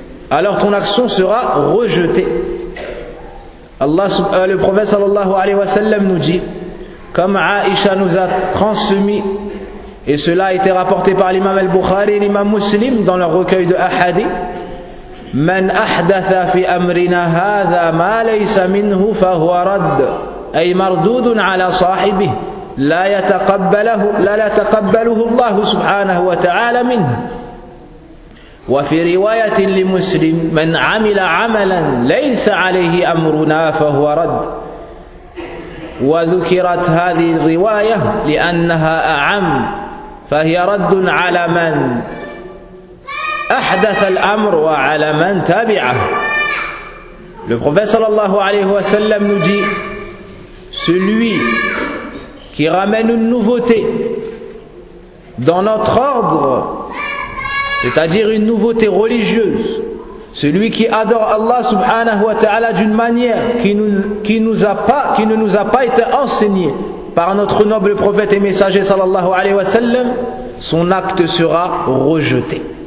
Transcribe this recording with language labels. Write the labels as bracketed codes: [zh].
[fr] Alors ton action sera rejetée. Le prophète sallallahu alayhi wa sallam nous dit, comme Aïcha nous a transmis, et cela a été rapporté par l'imam al-Bukhari et l'imam muslim dans leur recueil de ahadith, « [ar] Man ahdatha fi amrina hadha ma laysa minhu fa huwa radd, ay mardudun ala sahibih. » لا يتقبله الله سبحانه وتعالى منه. وفي رواية لمسلم من عمل عملا ليس عليه أمرنا فهو رد. وذكرت هذه الرواية لأنها أعم، فهي رد على من أحدث الأمر وعلى من تابعه. [fr] Le prophète sallallahu alayhi wa sallam nous dit, celui qui ramène une nouveauté dans notre ordre, c'est-à-dire une nouveauté religieuse, celui qui adore Allah subhanahu wa ta'ala d'une manière qui ne nous a pas été enseignée par notre noble prophète et messager sallallahu alayhi wa sallam, son acte sera rejeté.